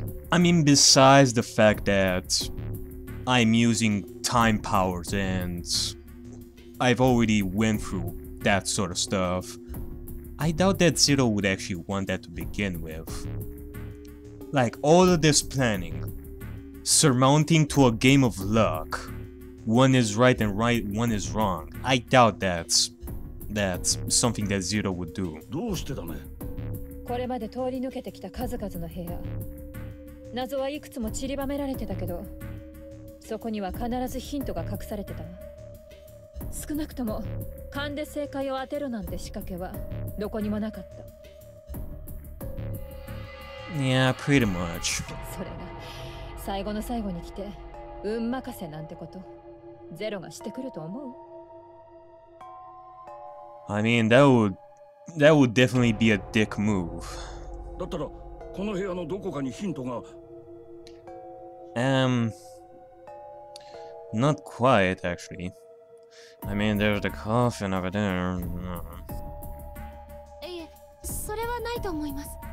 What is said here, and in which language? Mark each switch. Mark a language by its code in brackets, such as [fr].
[en] I mean, besides the fact that I'm using time powers and I've already went through that sort of stuff, I doubt that Zero would actually want that to begin with. Like, all of this planning, surmounting to a game of luck, one is right and right, one is wrong, I doubt that's something that Zero would do. [ja] これまで通り抜けてきた数々の部屋。謎はいくつも散りばめられてたけど、そこには必ずヒントが隠されてた。少なくとも勘で正解を当てるなんて仕掛けはどこにもなかった。 [en] Yeah, pretty much. [ja] それが最後の最後に来て運任せなんてこと、ゼロがしてくると思う。 [en] I mean, that would definitely be a dick move. [ja] だったらこの部屋のどこかにヒントが。 [en] Not quite, actually. I mean, there's the coffin over there. [ja] いえ、それはないと思います。